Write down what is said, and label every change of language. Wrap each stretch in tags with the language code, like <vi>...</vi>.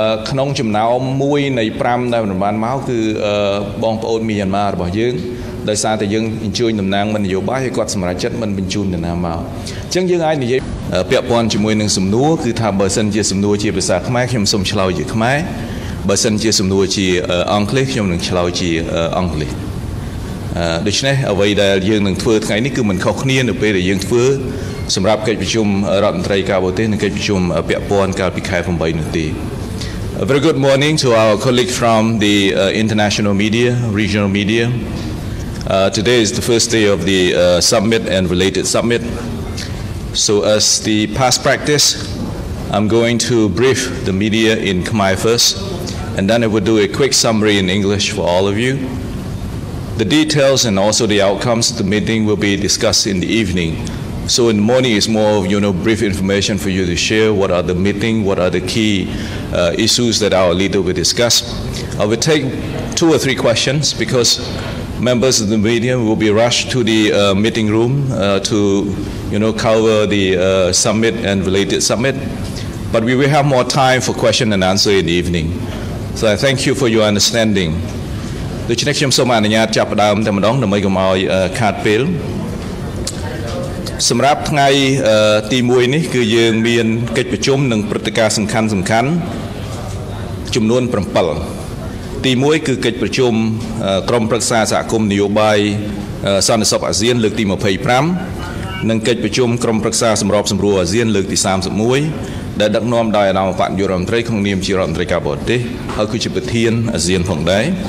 <km>ក្នុងចំណោម1នៃ5ដែលបានមកគឺបងប្អូនមីយ៉ាន់ម៉ារបស់យើងដោយសារតែយើងអញ្ជើញតំណាងមិននយោបាយឲ្យគាត់សម្រេចចិត្តមិនបញ្ជូនទៅណាមកអញ្ចឹងយើងអាចនិយាយពាក់ព័ន្ធជាមួយនឹងសំណួរគឺថាបើសិនជាសំណួរជាភាសាខ្មែរខ្ញុំសូមឆ្លើយជាខ្មែរបើសិនជាសំណួរជាអង់គ្លេសខ្ញុំនឹងឆ្លើយជាអង់គ្លេសដូច្នេះអ្វីដែលយើងនឹងធ្វើថ្ងៃនេះគឺមិនខុសគ្នានៅពេលដែលយើងធ្វើ សម្រាប់កិច្ចប្រជុំរដ្ឋមន្ត្រីការបរទេសនិងកិច្ចប្រជុំពាក់ព័ន្ធកាលពីខែ8នេះទេ</km> <en>A very good morning to our colleague from the international media, regional media. Today is the first day of the summit and related summit. So as the past practice, I'm going to brief the media in Khmer first, and then I will do a quick summary in English for all of you. The details and also the outcomes of the meeting will be discussed in the evening. So in the morning is more of, you know, brief information for you to share. What are the meeting? What are the key issues that our leader will discuss? I will take two or three questions because members of the media will be rushed to the meeting room to, you know, cover the summit and related summit. But we will have more time for question and answer in the evening. So I thank you for your understanding.</en> <km>ដូច្នេះខ្ញុំសូមអនុញ្ញាតចាប់ផ្ដើមតែម្ដងដើម្បីកុំឲ្យខាតពេលសម្រាប់ថ្ងៃទី1នេះគឺយើងមានកិច្ចប្រជុំនិងព្រឹត្តិការណ៍សំខាន់ចំនួន7ទី1គឺកិច្ចប្រជុំក្រុមប្រឹក្សាសហគមន៍នយោបាយសន្តិសុខអាស៊ានលើកទី25និងកិច្ចប្រជុំក្រុមប្រឹក្សាសម្របសម្រួលអាស៊ានលើកទី31ដែលដឹកនាំដោយអនុប្រធានយុរ៉ាន់ត្រីក្នុងនាមជារដ្ឋមន្ត្រីការបរទេសហើយគឺជាប្រធានអាស៊ានផងដែរ</km>